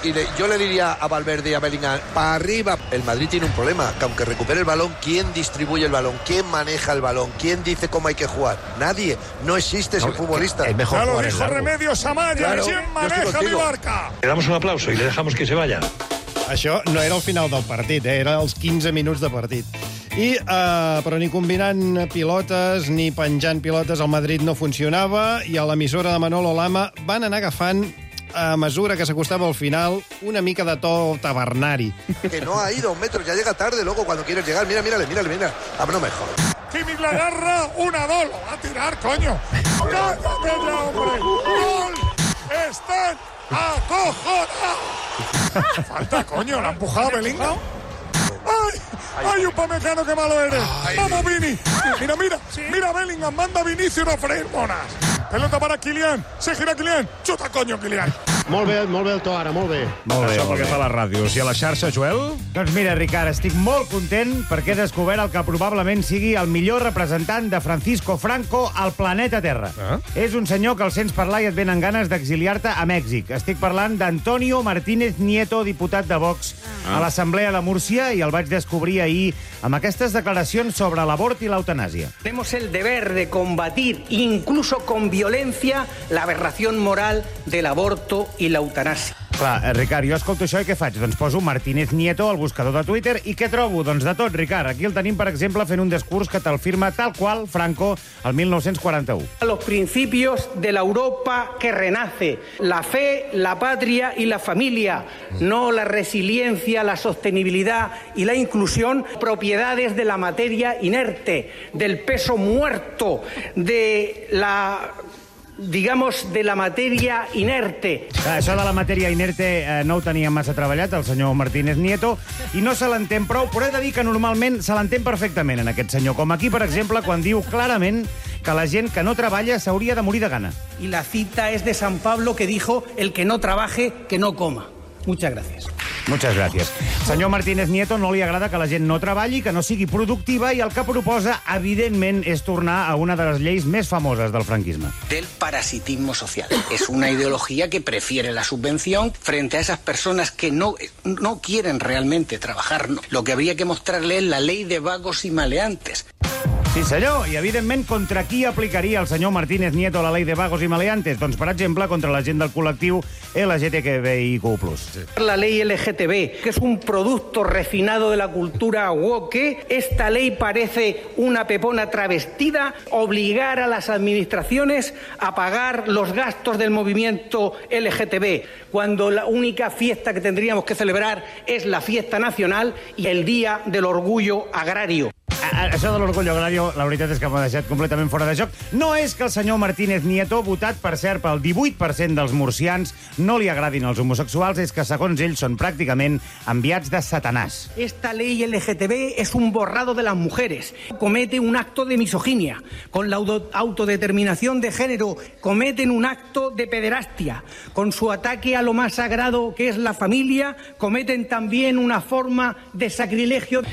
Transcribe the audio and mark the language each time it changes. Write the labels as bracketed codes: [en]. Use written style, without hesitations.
[es] Y yo le diría a Valverde y a Bellingham, para arriba. El Madrid tiene un problema, que aunque recupere el balón, ¿quién distribuye el balón? ¿Quién maneja el balón? ¿Quién dice cómo hay que jugar? Nadie. No existe ese futbolista. Es mejor jugar el largo. Ya lo dijo Remedios Amaya. ¿Quién maneja mi barca? Le damos un aplauso y le dejamos que se vaya. [ca] Això no era el final del partit, era els 15 minuts de partit. I, però ni combinant pilotes ni penjant pilotes, el Madrid no funcionava i a l'emissora de Manolo Lama van anar agafant, a mesura que s'acostava al final, una mica de to tabernari. [es] Que no ha ido un metro, ya llega tarde, loco, cuando quieres llegar. Mira, mírale, mírale, mírale. Ah, no me jodas. Jimmy la agarra, una, dos, lo va a tirar, coño. ¡Cállate ya, hombre! ¡Gol! ¡Están acojonados! Falta, coño, la ha empujado Bellingham. ¡Ay! ¡Ay, Upamecano, qué malo eres! Ay. ¡Vamos, Vini! ¡Mira, mira! ¿Sí? ¡Mira, Bellingham! ¡Manda a Vinicius a freír monas! Pelota para Kylian. ¡Se gira Kylian! ¡Chuta, coño, Kylian! [ca] Molt bé el to ara, molt bé. Molt bé. Això pel que fa a les ràdios. I a la xarxa, Joel? Doncs mira, Ricard, estic molt content perquè he descobert el que probablement sigui el millor representant de Francisco Franco al planeta Terra. Ah? És un senyor que el sents parlar i et venen ganes d'exiliar-te a Mèxic. Estic parlant d'Antonio Martínez Nieto, diputat de Vox, a l'Assemblea de Múrcia, i el vaig descobrir ahir amb aquestes declaracions sobre l'abort i l'eutanàsia. [es] Tenemos el deber de combatir, incluso con violencia, la aberración moral del aborto y la eutanasia. [ca] Clar, Ricard, jo escolto això i què faig? Doncs poso Martínez Nieto al buscador de Twitter i què trobo? Doncs de tot, Ricard. Aquí el tenim, per exemple, fent un discurs que te'l firma tal qual Franco el 1941. [es] Los principios de la Europa que renace. La fe, la patria y la familia. No la resiliencia, la sostenibilidad y la inclusión. Propiedades de la materia inerte, del peso muerto, de la... digamos, de la materia inerte. [ca] Això de la matèria inerte no ho tenia massa treballat, el senyor Martínez Nieto, i no se l'entén prou, però he de dir que normalment se l'entén perfectament en aquest senyor, com aquí, per exemple, quan diu clarament que la gent que no treballa s'hauria de morir de gana. [es] Y la cita es de San Pablo, que dijo: el que no trabaje, que no coma. Muchas gracias. Muchas gracias. [ca] Senyor Martínez Nieto, no li agrada que la gent no treballi, que no sigui productiva, i el que proposa, evidentment, és tornar a una de les lleis més famoses del franquisme. [es] Del parasitismo social. Es una ideología que prefiere la subvención frente a esas personas que no quieren realmente trabajar. Lo que habría que mostrarle es la ley de vagos y maleantes. [ca] Sí, senyor, i evidentment contra qui aplicaria el senyor Martínez Nieto [es] la ley de vagos y maleantes? [ca] Doncs, per exemple, contra la gent del col·lectiu LGTBIQ+. [es] La ley LGTB, que es un producto refinado de la cultura woke, esta ley parece una pepona travestida, obligar a las administraciones a pagar los gastos del movimiento LGTB, cuando la única fiesta que tendríamos que celebrar es la fiesta nacional y el Día del Orgullo Agrario. [ca] Això de l'orgull agrari, la veritat és que m'ha deixat completament fora de joc. No és que el senyor Martínez Nieto, votat, per cert, pel 18% dels murcians, no li agradin els homosexuals, és que, segons ell, són pràcticament enviats de Satanàs. [es] Esta ley LGTB es un borrado de las mujeres. Comete un acto de misoginia. Con la autodeterminación de género, cometen un acto de pederastia. Con su ataque a lo más sagrado, que es la familia, cometen también una forma de sacrilegio.